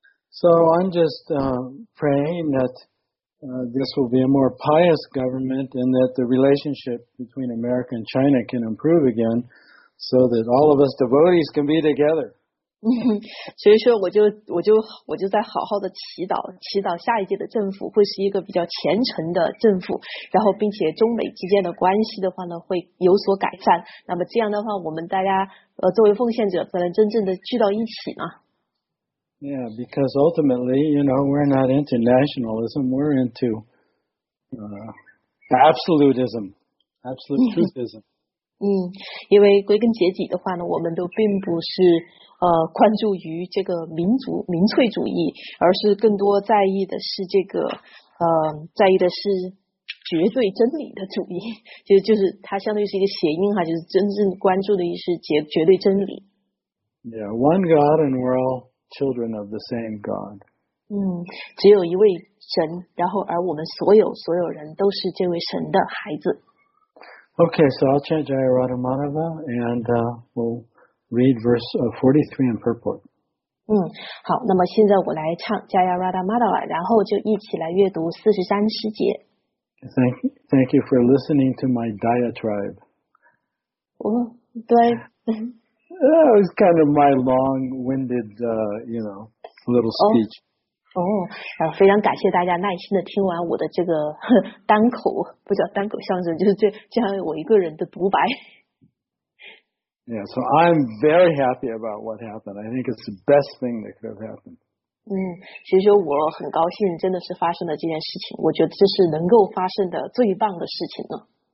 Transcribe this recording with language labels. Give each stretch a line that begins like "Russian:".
English: So I'm just praying that. This will be a more pious government and that the relationship between America and China can improve again so that all of us devotees can be together.
Chinese: 所以说我就在好好的祈祷下一届的政府会是一个比较虔诚的政府，然后并且中美之间的关系的话呢会有所改善，那么这样的话我们大家作为奉献者才能真正的聚到一起嘛。
English: Yeah, because ultimately, you know, we're not into nationalism, we're into absolutism, absolute truthism.
Chinese: 因为归根结底的话呢，我们都并不是关注于这个民粹主义，而是更多在意的是这个在意的是绝对真理的主义，就是它相当于是一个谐音哈，就是真正关注的是绝对真理。
English: Yeah, one God and we're all. Children of the same God.
Chinese: 只有一位神，然后而我们所有人都是这位神的孩子。
English: Okay, so I'll chant Jaya Radha Madhava, and we'll read verse 43 in purport.
Chinese: 好，那么现在我来唱 Jaya Radha Madhava, 然后就一起来阅读43诗节。
English: Thank you for listening to my diatribe.
Chinese: 对。
English: That was kind of my long-winded, little speech.
Chinese: Oh, 非常感谢大家耐心的听完我的这个单口，不叫单口相声，就是这样我一个人的独白。
English: Yeah, so I'm very happy about what happened. I think it's the best thing that could have happened.
Chinese: 所以说我很高兴真的是发生了这件事情，我觉得这是能够发生的最棒的事情了。